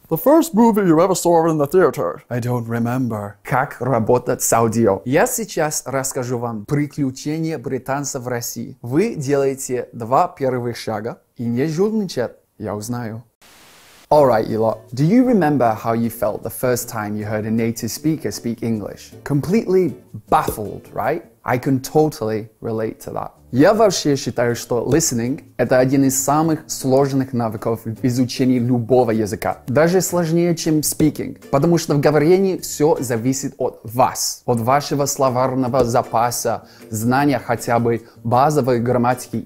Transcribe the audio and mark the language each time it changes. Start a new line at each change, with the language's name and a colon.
English: The first movie you ever saw in the theater. I don't remember.
Russian: Как работать с аудио. Я сейчас расскажу вам приключения британца в России. Вы делаете два первых шага и не жульничат, я узнаю.
English: All right, Ila, do you remember how you felt the first time you heard a native speaker speak English? Completely baffled, right? I can totally relate to that.
Russian: Я вообще считаю, что listening – это один из самых сложных навыков в изучении любого языка. Даже сложнее, чем speaking. Потому что в говорении все зависит от вас. От вашего словарного запаса, знания хотя бы базовой грамматики.